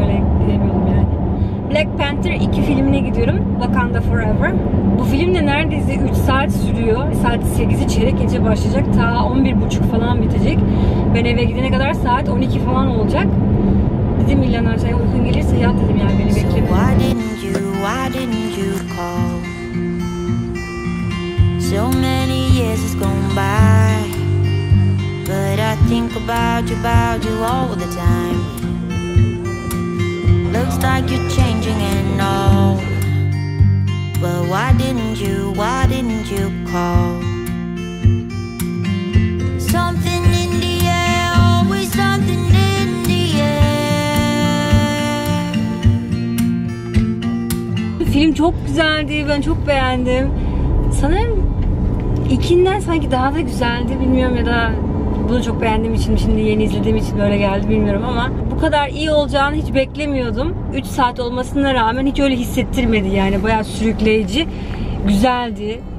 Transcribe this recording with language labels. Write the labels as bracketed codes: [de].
[tr] Öyle gidemiyordum yani. Black Panther 2 filmine gidiyorum. Wakanda Forever. Bu film de neredeyse 3 saat sürüyor. Saat 8'i çeyrek gece başlayacak. Ta 11.30 falan bitecek. Ben eve gidene kadar saat 12 falan olacak. Dedim İlhan Arca'ya uygun gelirse yat dedim yani, beni bekle. [en] So why didn't you, why didn't you call? So many years has gone by. But I think about you all the time. Looks like you're changing and all. But why didn't you call? Something in the air, always something in the air. [tr] Film çok güzeldi, ben çok beğendim. Sanırım ikinden sanki daha da güzeldi, bilmiyorum ya da bunu çok beğendiğim için, şimdi yeni izlediğim için böyle geldi bilmiyorum ama bu kadar iyi olacağını hiç beklemiyordum. 3 saat olmasına rağmen hiç öyle hissettirmedi yani, bayağı sürükleyici, güzeldi.